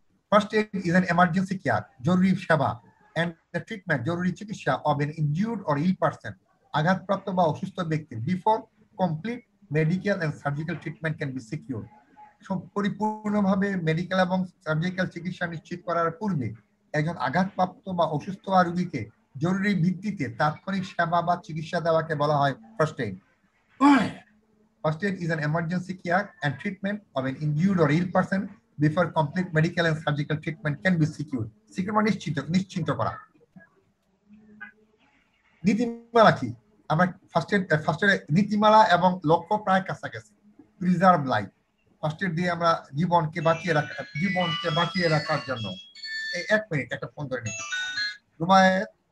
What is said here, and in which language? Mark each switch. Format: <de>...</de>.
<en>first aid is an emergency care,</en> <bn>জরুরি সেবা</bn> <en>and the treatment,</en> <bn>জরুরি চিকিৎসা</bn> <en>of an injured or ill person,</en> <bn>আঘাতপ্রাপ্ত বা অসুস্থ ব্যক্তি,</bn> <en>before complete medical and surgical treatment can be secure,</en> <bn>পরিপূর্ণভাবে মেডিকেল এবং সার্জিক্যাল চিকিৎসা নিশ্চিত করার পূর্বে একজন আঘাতপ্রাপ্ত বা অসুস্থ রোগীকে জরুরি ভিত্তিতে তাৎক্ষণিক সেবা বা চিকিৎসা দেওয়াকে বলা হয় first aid.</bn> <en>First aid is an emergency care and treatment of an injured or ill person before complete medical and surgical treatment can be secured.</en> <bn>Secure মানে নিশ্চিত নিশ্চিত করা। নীতিমালা কি? আমরা ফার্স্ট এড নীতিমালা এবং লক্ষ্য প্রায় কাছাকাছি।</bn> <en>Preserve life.</en> <bn>ফার্স্ট এড দিয়ে আমরা জীবনকে বাঁচিয়ে রাখার জন্য। এই এক মিনিট একটা ফোন ধরে নিই। রুমায়েত</bn>